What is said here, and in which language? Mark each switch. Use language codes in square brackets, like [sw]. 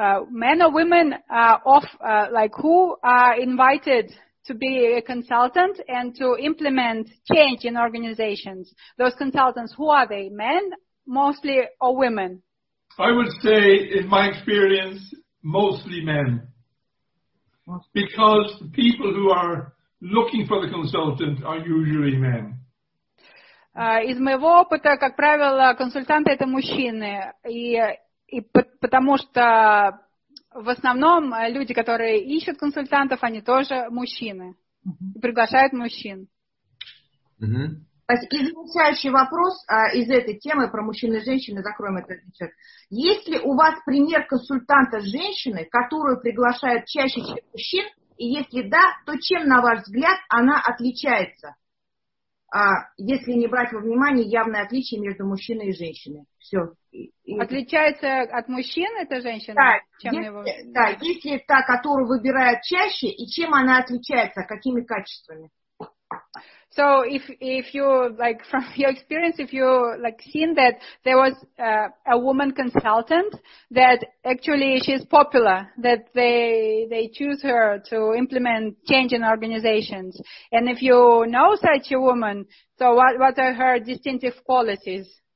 [en] Men or women are off, like, who are invited to be a consultant and to implement change in organizations? Those consultants, who are they? Men mostly or women? I would say, in my experience, mostly men. Because the people who are looking for the consultant are usually men. [ru] Из моего опыта, как правило, консультанты – это мужчины. И потому что в основном люди, которые ищут консультантов, они тоже мужчины. И приглашают мужчин. Mm-hmm. И завершающий вопрос из этой темы про мужчин и женщин, закроем этот вечер. Есть ли у вас пример консультанта женщины, которую приглашают чаще, чем мужчин? И если да, то чем, на ваш взгляд, она отличается? Если не брать во внимание явное отличие между мужчиной и женщиной. Все. Отличается от мужчин эта женщина? Да, если та, которую выбирают чаще, и чем она отличается, какими качествами? [en] So if you, like, from your experience, if you, like, seen that there was a woman consultant that actually she's popular, that they choose her to implement change in organizations. And if you know such a woman, so what are her distinctive qualities?